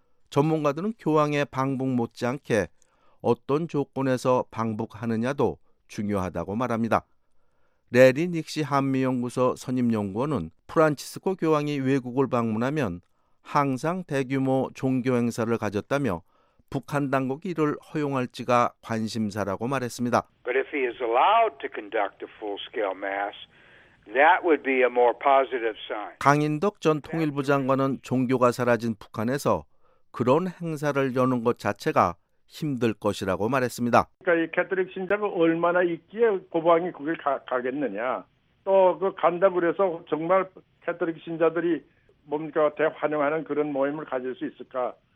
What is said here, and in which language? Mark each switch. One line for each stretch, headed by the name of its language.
Korean: 전문가들은 교황의 방북 못지않게 어떤 조건에서 방북하느냐도 중요하다고 말합니다. 레리 닉시 한미연구소 선임연구원은 프란치스코 교황이 외국을 방문하면 항상 대규모 종교 행사를 가졌다며 북한 당국이 이를 허용할지가 관심사라고 말했습니다.
English: But if he is allowed to conduct a full-scale mass, that would be a more positive sign.
Korean: 강인덕 전 통일부 장관은 종교가 사라진 북한에서 그런 행사를 여는 것 자체가 힘들 것이라고 말했습니다. 그러니까 이 가톨릭 신자가 얼마나 있기에 고방이 거길 가겠느냐. 또 그 간다 그래서 정말 가톨릭 신자들이 뭡니까 대환영하는 그런 모임을 가질 수 있을까?